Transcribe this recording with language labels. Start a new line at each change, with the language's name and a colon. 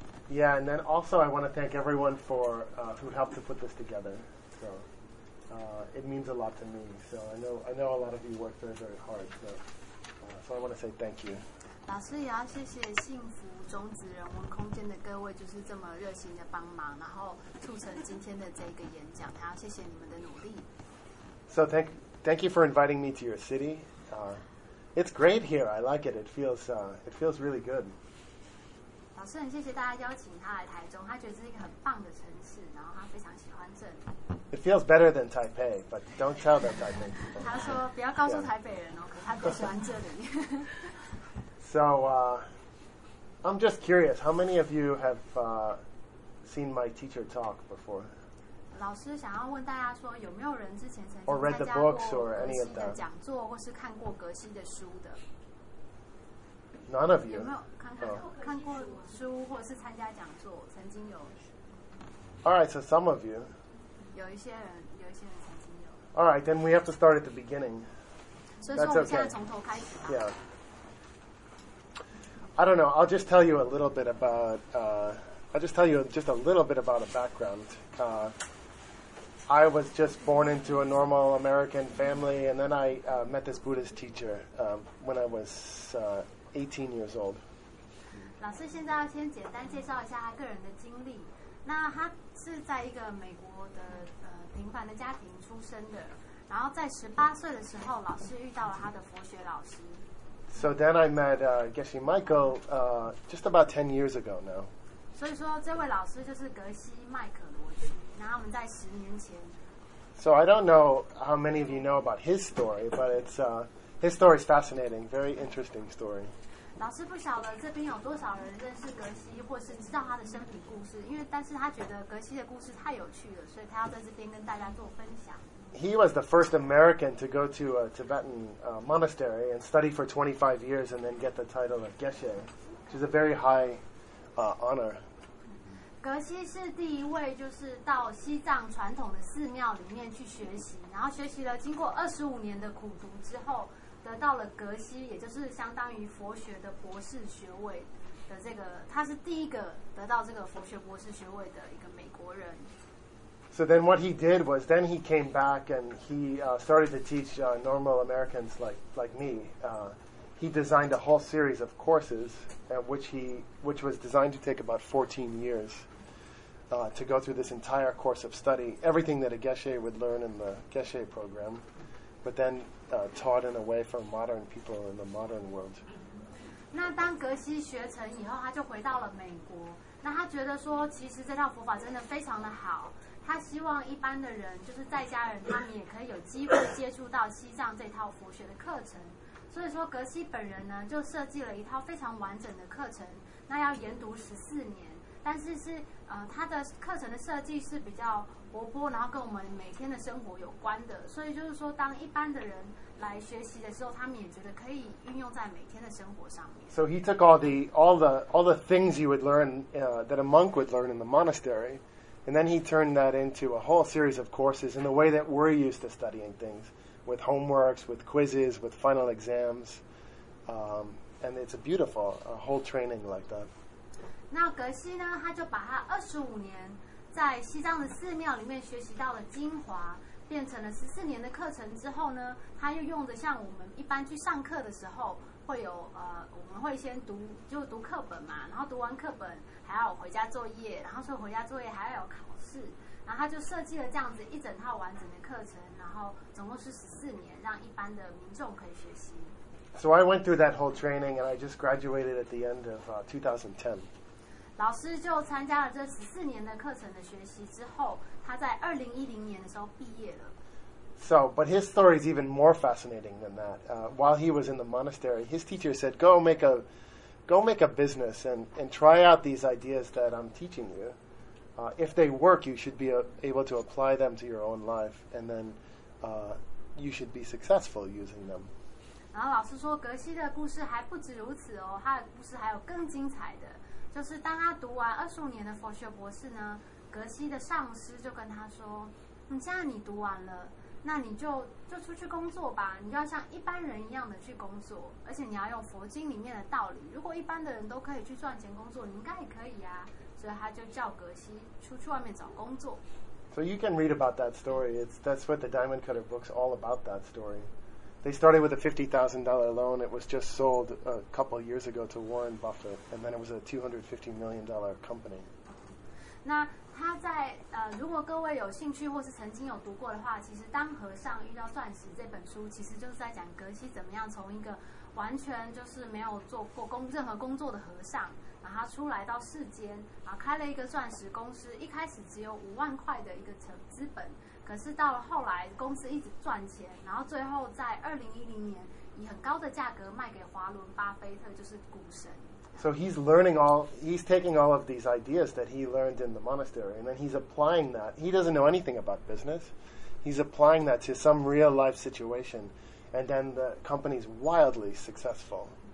English: Yeah, and then also I want to thank everyone for who helped to put this together. So it means a lot to me. So I know a lot of you worked very, very hard. So I want to say thank you.
Chinese: 老师也要谢谢幸福种子人文空间的各位，就是这么热心的帮忙，然后促成今天的这个演讲，还要谢谢你们的努力。
English: So thank you for inviting me to your city. It's great here. I like it. It feels really good.
Chinese: 老师很谢谢大家邀请他来台中，他觉得这是一个很棒的城市，然后他非常喜欢这里。
English: It feels better than Taipei, but don't tell them Taipei.
Chinese: 他说不要告诉台北人哦，可是他更喜欢这里。
English: So, I'm just curious, how many of you have seen my teacher talk before?
Chinese: 老师想要问大家说，有没有人之前曾经参加过格西的讲座，或是看过格西的书的？
English: Or read the books or any of them? Or read the books or any of them? None of you.
Chinese: 看过书或是参加讲座，曾经有。
English: All right, so some of you.
Chinese: 有一些人曾经有。
English: All right, then we have to start at the beginning.
Chinese: 所以说，我们现在从头开始吧。
English: Yeah. I don't know. I'll just tell you a little bit about. I'll just tell you just a little bit about a background. I was just born into a normal American family, and then I met this Buddhist teacher when I was 18 years old.
Chinese: 老师现在要先简单介绍一下他个人的经历。那他是在一个美国的平凡的家庭出生的，然后在18岁的时候，老师遇到了他的佛学老师。
English: So then I met Geshe Michael just about 10 years ago now.
Chinese: 所以说这位老师就是格西麦可罗奇，然后我们在十年前。
English: So I don't know how many of you know about his story, but it's his story is fascinating, very interesting story.
Chinese: 老师不晓得这边有多少人认识格西，或是知道他的生平故事，因为但是他觉得格西的故事太有趣了，所以他要在这边跟大家做分享。
English: He was the first American to go to a Tibetan monastery and study for 25 years and then get the title of Geshe, which is a very high honor.
Chinese: 格西是第一位就是到西藏传统的寺庙里面去学习，然后学习了经过25年的苦读之后。得到了格西，也就是相当于佛学的博士学位的这个，他是第一个得到这个佛学博士学位的一个美国人。
English: So then what he did was, then he came back and he started to teach normal Americans like me. He designed a whole series of courses, which was designed to take about 14 years to go through this entire course of study, everything that a Geshe would learn in the Geshe program, but then. Taught in a way for modern people in the modern world.
Chinese: 那当格西学成以后，他就回到了美国，那他觉得说其实这套佛法真的非常的好，他希望一般的人就是在家人他们也可以有机会接触到西藏这套佛学的课程。所以说格西本人呢就设计了一套非常完整的课程，那要研读14年，但是是他的课程的设计是比较活泼，然后跟我们每天的生活有关的，所以就是说当一般的人来学习的时候，他们也觉得可以运用在每天的生活上面。
English: So he took all the things you would learn, that a monk would learn in the monastery, and then he turned that into a whole series of courses in the way that we're used to studying things, with homeworks, with quizzes, with final exams, and it's a beautiful, a whole training like that.
Chinese: 那格西呢，他就把他25年在西藏的寺庙里面学习到了精华，变成了14年的课程之后呢，他又用着像我们一般去上课的时候会有我们会先读就读课本嘛，然后读完课本还要回家作业，然后说回家作业还要有考试，然后他就设计了这样子一整套完整的课程，然后总共是14年，让一般的民众可以学习。
English: So I went through that whole training and I just graduated at the end of 2010.
Chinese: 老师就参加了这14年的课程的学习之后，他在2010年的时候毕业了。
English: So, but his story is even more fascinating than that. While he was in the monastery, his teacher said, "Go make a business and try out these ideas that I'm teaching you. If they work, you should be able to apply them to your own life, and then you should be successful using them."
Chinese: 然后老师说，格西的故事还不止如此哦，他的故事还有更精彩的。就是当他读完25年的佛学博士呢，格西的上师就跟他说，你现在你读完了，那你就出去工作吧，你就要像一般人一样的去工作，而且你要用佛经里面的道理，如果一般的人都可以去赚钱工作，你应该也可以啊。所以他就叫格西出外面找工作。
English: So you can read about that story. That's what the Diamond Cutter book's all about, that story. They started with a $50,000 loan. It was just sold a couple of years ago to Warren Buffett, and then it was a $250 million company.
Chinese: 那他在如果各位有兴趣或是曾经有读过的话，其实《当和尚遇到钻石》这本书其实就是在讲格西怎么样从一个完全就是没有做过任何工作的和尚，然后他出来到世间，然后开了一个钻石公司，一开始只有5万块的一个资本。可是到了后来公司一直赚钱，然后最后在2010年以很高的价格卖给华伦巴菲特，就是股神。
English: So he's learning all, he's taking all of these ideas that he learned in the monastery, and then he's applying that. He doesn't know anything about business. He's applying that to some real life situation, and then the company's wildly successful.